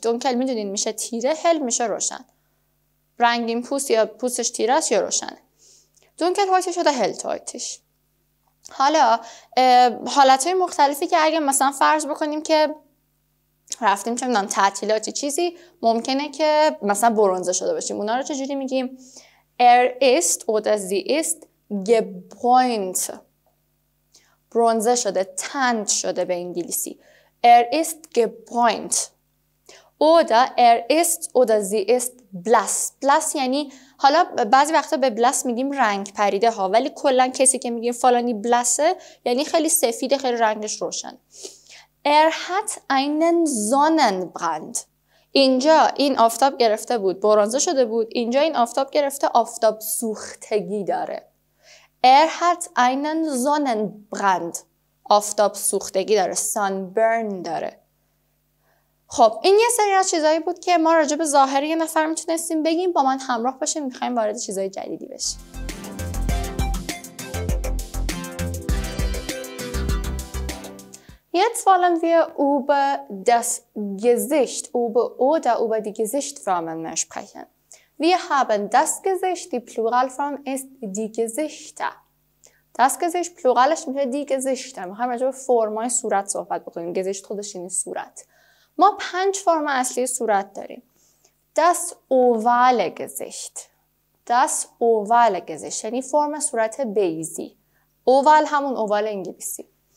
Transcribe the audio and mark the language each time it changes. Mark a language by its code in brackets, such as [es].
[fa] Dunkel میدونین میشه تیره، hell میشه روشن. رنگین پوست یا پوستش تیره است یا روشنه. [de] Dunkelhäutig oder hellhäutig. [fa] حالا حالتهای مختلفی که اگه مثلا فرض بکنیم که رفتیم چه میدونم تعطیلاتی چیزی، ممکنه که مثلا برونزه شده باشیم، اونا رو چجوری میگیم؟ [de] Er ist oder sie ist gebräunt. [fa] برونزه شده، تند شده به انگلیسی. [de] Er ist gebräunt. Oder er ist oder sie ist blass. [fa] Blass یعنی حالا بعضی وقتا به بلس میگیم رنگ پریده ها، ولی کلا کسی که میگیم فلانی بلسه یعنی خیلی سفیده، خیلی رنگش روشن. [de] Er hat einen Sonnenbrand. [fa] اینجا این آفتاب گرفته بود، برونزه شده بود، اینجا این آفتاب گرفته، آفتاب سوختگی داره. [de] Er hat einen Sonnenbrand. [fa] آفتاب سوختگی داره، sunburn داره. خب این یه سری از چیزایی بود که ما راجع به ظاهر یه نفر میتونستیم بگیم. با من همراه باشیم، میخواییم وارد چیزای جدیدی بشیم. [de] Jetzt wollen wir über das Gesicht, über die Gesichtsformen sprechen. Wir haben das Gesicht, die Pluralform ist die Gesichter. Das Gesicht, Pluralisch, میشه die Gesichter. [fa] میخواییم راجع به فرمای صورت صحبت بکنیم. Gesicht خودش یعنی صورت. ما پنج فرم اصلی صورت داریم. [de] Das ovale Gesicht. Das ovale Gesicht. [fa] یعنی فرم صورت بیزی. اوال همون اوال انگلیسی.